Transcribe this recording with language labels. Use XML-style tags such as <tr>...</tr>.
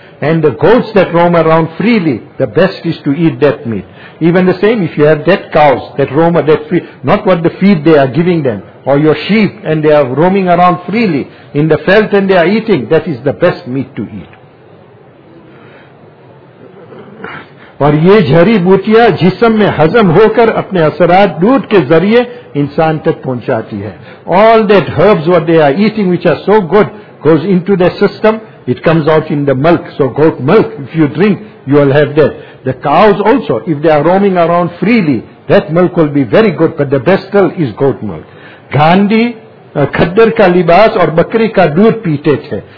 <en>And the goats that roam around freely, the best is to eat that meat. Even the same, if you have dead cows that roam, that free, not what the feed they are giving them, or your sheep, and they are roaming around freely in the felt and they are eating, that is the best meat to eat.</en> <ur>اور یہ جھری بوٹیاں جسم میں ہضم ہو کر اپنے اثرات دودھ کے ذریعے انسان تک پہنچاتی ہے.</ur> <en>All that herbs what they are eating which are so good goes into their system, it comes out in the milk. So goat milk, if you drink, you will have that. The cows also, if they are roaming around freely, that milk will be very good, but the best still is goat milk.</en> <ur>Gandhi, khaddar ka libas aur bakri ka doodh peete the.</ur>